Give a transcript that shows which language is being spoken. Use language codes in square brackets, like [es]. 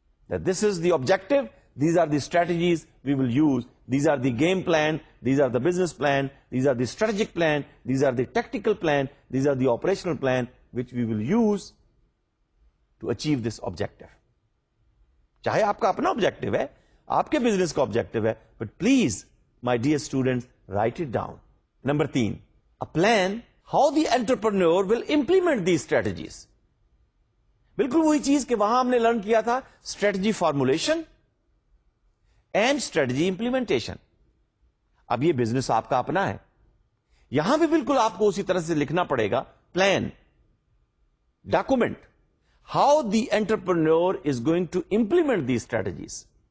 [en] This is the objective, these are the strategies we will use, these are the game plan, these are the business plan, these are the strategic plan, these are the tactical plan, these are the operational plan which we will use to achieve this objective. [ur] چاہے آپ کا اپنا objective ہے, آپ کے business کا objective ہے, [en] But please my dear students, write it down. Number تین, a plan how the entrepreneur will implement the strategies. [ur] بالکل وہی چیز کہ وہاں ہم نے لرن کیا تھا, [en] Strategy formulation and strategy implementation. [ur] اب یہ بزنس آپ کا اپنا ہے, یہاں بھی بالکل آپ کو اسی طرح سے لکھنا پڑے گا, plan, document, [en] How the entrepreneur is going to implement the strategies.